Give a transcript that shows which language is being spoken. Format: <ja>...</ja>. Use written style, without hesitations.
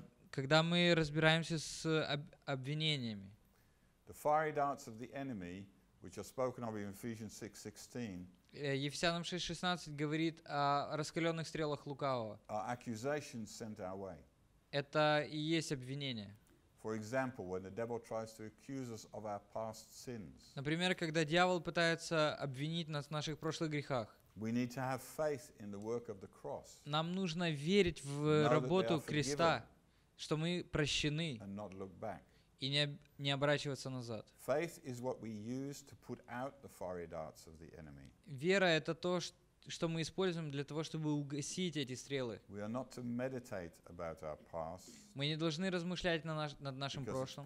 <ru>Когда мы разбираемся с обвинениями.</ru> <en>The fiery darts of the enemy, which are spoken of in Ephesians 6:16.</en> <ru>Ефесянам 6:16 говорит о раскаленных стрелах лукавого.</ru> <en>Are accusations sent our way.</en> <ru>Это и есть обвинение.</ru> <en>For example, when the devil tries to accuse us of our past sins.</en> <ru>Например, когда дьявол пытается обвинить нас в наших прошлых грехах.</ru> <en>We need to have faith in the work of the cross.</en> <ru>Нам нужно верить в работу креста, что мы прощены.</ru> <en>And not look back.</en> <ru>И не оборачиваться назад.</ru> <en>Faith is what we use to put out the fiery darts of the enemy.</en> <ru>Вера — это то, что мы используем для того, чтобы угасить эти стрелы.</ru> <en>We are not to meditate about our past.</en> <ru>Мы не должны размышлять над нашим прошлым.</ru>